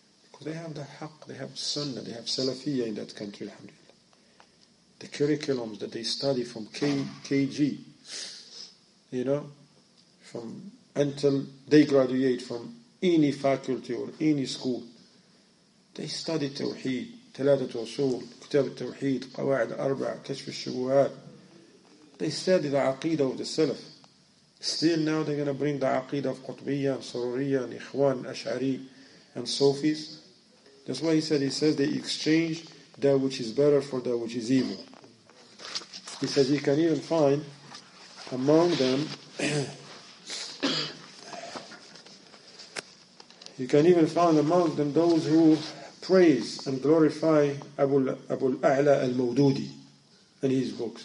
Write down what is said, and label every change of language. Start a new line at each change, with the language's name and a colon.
English: Because they have the haq, they have sunnah, they have salafiyah in that country, alhamdulillah. The curriculums that they study from KG, you know, from until they graduate from any faculty or any school, they study Tawheed,
Arabic: ثلاثة أصول، كتاب التوحيد، قواعد أربع، كشف الشبهات.
English: They study the عقيدة of the Salaf. Still now they're going to bring the عقيدة of قطبية and سرورية and إخوان أشعري and Sufis. That's why he says they exchange that which is better for that which is evil. He says he can even find among them you can even find among them those who praise and glorify Abu al-A'la al-Mawdudi and his books.